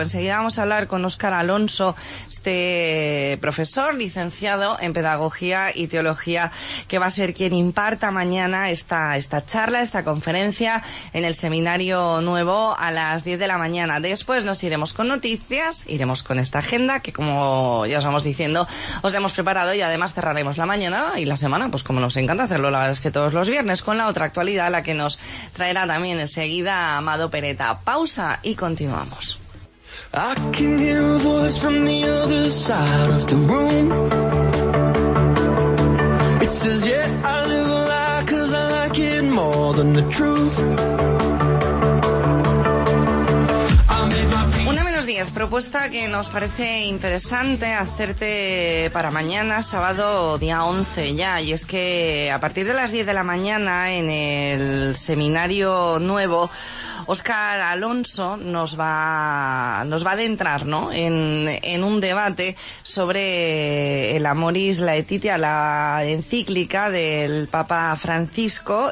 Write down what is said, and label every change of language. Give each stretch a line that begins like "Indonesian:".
Spanish: Enseguida vamos a hablar con Óscar Alonso, este profesor licenciado en pedagogía y teología, que va a ser quien imparta mañana esta charla, esta conferencia en el seminario nuevo a las 10 de la mañana. Después nos iremos con noticias, iremos con esta agenda que, como ya os vamos diciendo, os hemos preparado, y además cerraremos la mañana y la semana, pues como nos encanta hacerlo, la verdad es que todos los viernes, con la otra actualidad, la que nos traerá también enseguida Amado Peretta. Pausa y continuamos.
English: I can hear a voice from the other side of the room. It says, yeah, I live a lie 'cause I like it more than the truth.
Spanish: Propuesta que nos parece interesante hacerte para mañana, sábado, día 11 ya, y es que a partir de las 10 de la mañana en el seminario nuevo, Óscar Alonso nos va a adentrar, ¿no?, en un debate sobre el Amoris Laetitia, la encíclica del Papa Francisco.